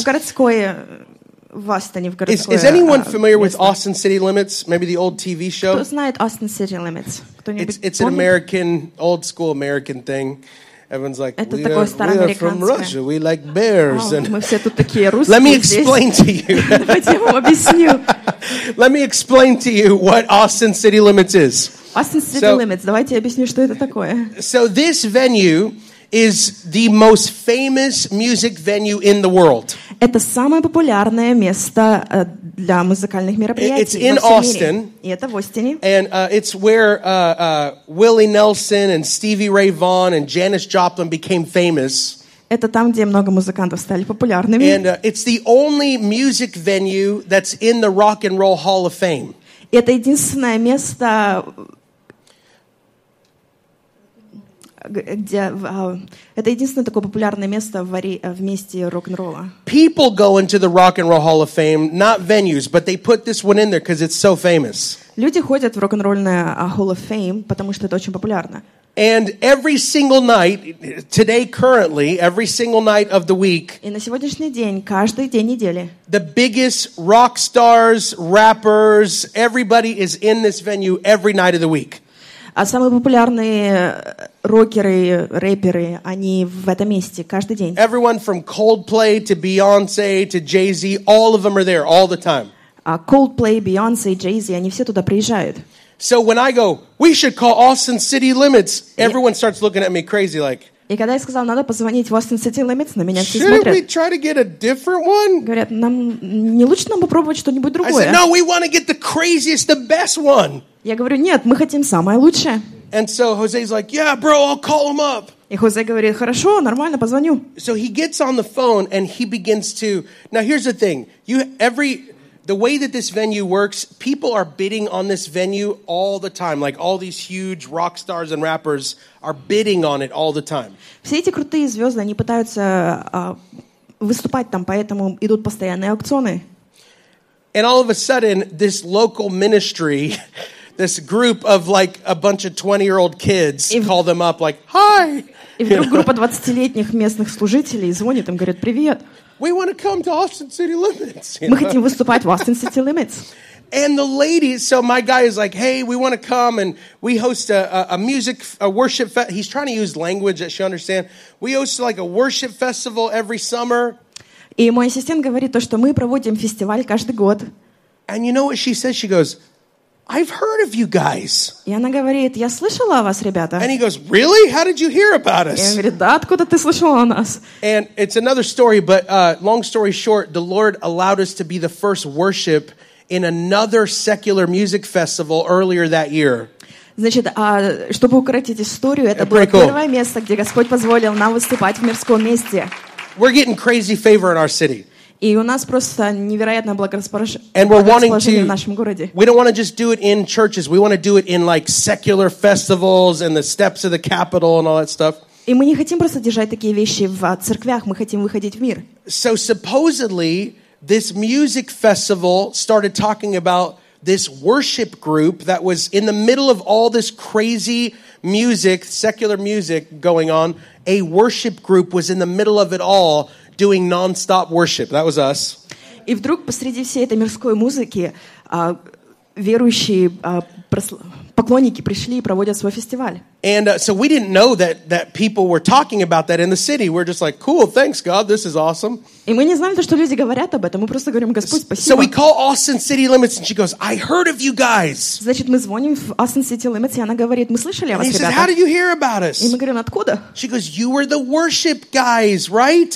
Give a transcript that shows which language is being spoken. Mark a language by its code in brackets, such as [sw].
[ru] В городской, в Астане, в городской, [en] is anyone familiar with Austin City Limits? Maybe the old TV show? [ru] Кто знает Austin City Limits? [en] It's an American, old school American thing. Everyone's like, we are from Russia. We like bears. And [ru] мы все тут такие русские. [en] Let me explain to you. [ru] Давайте я вам объясню. [en] Let me explain to you what Austin City Limits is. Austin City Limits. [ru] Давайте я объясню, что это такое. [en] So this venue is the most famous music venue in the world. [ru] Это самое популярное место для музыкальных мероприятий. [en] It's in Austin. [ru] И это в Остине. [en] And it's where Willie Nelson and Stevie Ray Vaughan and Janis Joplin became famous. [ru] Это там, где много музыкантов стали популярными. [en] And it's the only music venue that's in the Rock and Roll Hall of Fame. [ru] Это единственное место, где это единственное такое популярное место в месте рок-н-ролла. [en] People go into the Rock and Roll Hall of Fame, not venues, but they put this one in there because it's so famous. [ru] Люди ходят в рок-н-ролльное Hall of Fame, потому что это очень популярно. [en] And every single night, today currently, every single night of the week. [ru] И на сегодняшний день, каждый день недели. [en] The biggest rock stars, rappers, everybody is in this venue every night of the week. [ru] А самые популярные рокеры, рэперы, они в этом месте каждый день. [en] Everyone from Coldplay to Beyonce to Jay-Z, all of them are there all the time. [ru] Coldplay, Beyonce, Jay-Z, они все туда приезжают. [en] So when I go, we should call Austin City Limits, everyone starts looking at me crazy like. [ru] И когда я сказал, надо позвонить в Austin City Limits, на меня все смотрят. [en] Should we try to get a different one? [ru] Говорят, нам не лучше нам попробовать что-нибудь другое? [en] I said, no, we want to get the craziest, the best one. [ru] Я говорю, нет, мы хотим самое лучшее. [en] And so Jose's like, yeah, bro, I'll call him up. [ru] И Хосе говорит, хорошо, нормально, позвоню. [en] So he gets on the phone and he begins to. Now here's the thing. The way that this venue works, people are bidding on this venue all the time. Like all these huge rock stars and rappers are bidding on it all the time. [ru] Все эти крутые звезды, они пытаются выступать там, поэтому идут постоянные аукционы. [en] And all of a sudden, this local ministry, this group of like a bunch of 20-year-old kids call them up like, hi! [ru] И вдруг группа 20-летних местных служителей звонит им, говорит, привет! [en] We want to come to Austin City Limits. [ru] Мы хотим выступать в Austin City Limits. [en] And the lady, so my guy is like, hey, we want to come and we host a worship festival. He's trying to use language that she understands. We host like a worship festival every summer. [ru] И мой ассистент говорит то, что мы проводим фестиваль каждый год. [en] And you know what she says? She goes, I've heard of you guys. [ru] И она говорит, я слышала о вас, ребята. [en] And he goes, really? How did you hear about us? [ru] И он говорит, да, откуда ты слышала о нас? [en] And it's another story, but long story short, the Lord allowed us to be the first worship in another secular music festival earlier that year. [ru] Значит, чтобы укоротить историю, это было [en] cool. [ru] Первое место, где Господь позволил нам выступать в мирском месте. [en] We're getting crazy favor in our city. [ru] И у нас просто невероятное благорасположение в нашем городе. [en] We don't want to just do it in churches. We want to do it in like secular festivals and the steps of the Capitol and all that stuff. [ru] И мы не хотим просто держать такие вещи в церквях. Мы хотим выходить в мир. [en] So supposedly this music festival started talking about this worship group that was in the middle of all this crazy music, secular music going on. A worship group was in the middle of it all. Doing non-stop worship. That was us. [ru] И вдруг посреди всей этой мирской музыки верующие поклонники пришли и проводят свой фестиваль. [en] And so we didn't know that people were talking about that in the city. We're just like, cool, thanks God, this is awesome. [ru] И мы не знали, что люди говорят об этом. Мы просто говорим, Господь, спасибо. [en] So we call Austin City Limits, and she goes, I heard of you guys. [ru] Значит, мы звоним в Austin City Limits, и она говорит, мы слышали о вас, ребята. [en] And he says, how did you hear about us? [ru] И мы говорим, откуда? [en] She goes, you were the worship guys, right?